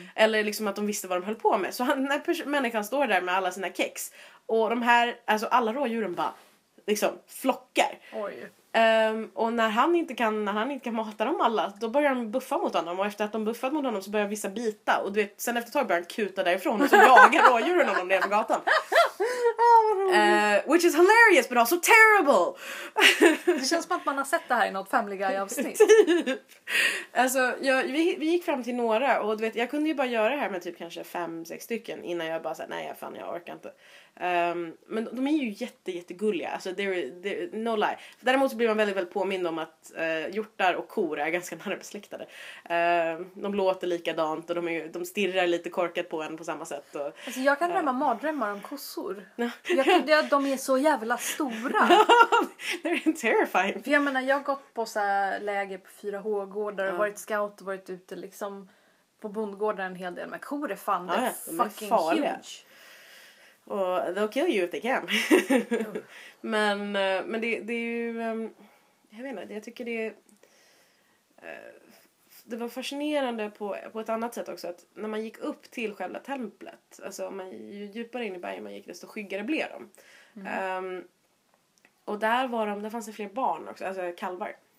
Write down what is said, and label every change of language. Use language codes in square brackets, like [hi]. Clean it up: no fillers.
[sv] Eller liksom att de visste vad de höll på med. Så när människan står där med alla sina kex och de här, alltså alla rådjuren bara, liksom flockar. Oj. Och när han inte kan mata dem alla, då börjar de buffa mot honom. Och efter att de buffat mot honom så börjar vissa bita. Och du vet, sen efter ett tag börjar de kuta därifrån. Och så jagar rådjuren honom ner på gatan. [en] Which is hilarious, but also terrible. [sv] Det känns som att man har sett det här i något Family Guy-avsnitt. Typ. Alltså, vi gick fram till några. Och du vet, jag kunde ju bara göra det här med typ kanske 5-6 stycken. Innan jag bara sa, nej fan, jag orkar inte. Men de är ju jättegulliga. Alltså, [en] they're no lie. [sv] Däremot så blir man väldigt, väldigt påmind om att hjortar och kor är ganska nära besläktade. De låter likadant och de stirrar lite korkat på en på samma sätt. Och, alltså, jag kan drömma mardrömmar om kossor. De är så jävla stora. [en] They're terrifying. [sv] För jag menar, jag har gått på så här läger på 4H-gårdar och varit scout och varit ute liksom på bondgården en hel del. Men kor är fan, det är fucking farliga. [en] Huge. [sv] Och [en] they'll kill you if they can. [sv] men det är ju... jag vet inte, jag tycker det är... Det var fascinerande på ett annat sätt också. Att när man gick upp till själva templet. Alltså man, ju djupare in i bergen man gick, desto skyggare blev de. Och där var de... Där fanns det fler barn också. Alltså kalvar.